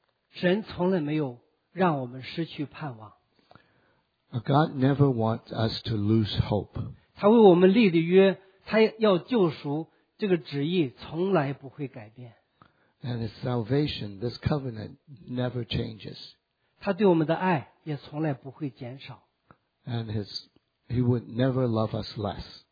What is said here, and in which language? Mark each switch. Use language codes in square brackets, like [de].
[zh] 神从来没有让我们失去盼望。 [en] God never wants us to lose hope. [zh] 他为我们立的约，他要救赎，这个旨意从来不会改变。 [en] And his salvation, this covenant, never changes. [zh] 他对我们的爱也从来不会减少。 [en] And he would never love us less.